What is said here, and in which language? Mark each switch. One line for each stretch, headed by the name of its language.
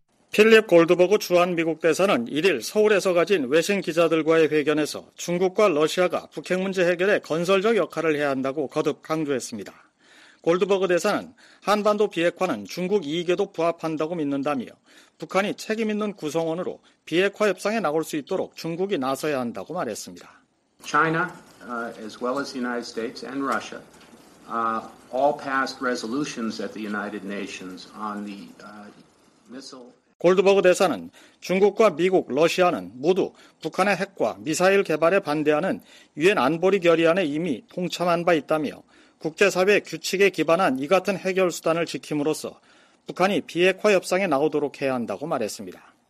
Korean: 필립 골드버그 주한미국 대사는 1일 서울에서 가진 외신 기자들과의 회견에서 중국과 러시아가 북핵 문제 해결에 건설적 역할을 해야 한다고 거듭 강조했습니다. 골드버그 대사는 한반도 비핵화는 중국 이익에도 부합한다고 믿는다며 북한이 책임 있는 구성원으로 비핵화 협상에 나올 수 있도록 중국이 나서야 한다고 말했습니다.
English: China, as well as the United States and Russia, all passed resolutions at the United Nations on the missile.
Korean: 골드버그 대사는 중국과 미국, 러시아는 모두 북한의 핵과 미사일 개발에 반대하는 유엔 안보리 결의안에 이미 동참한 바 있다며 국제사회 규칙에 기반한 이 같은 해결 수단을 지킴으로써 북한이 비핵화 협상에 나오도록 해야 한다고 말했습니다.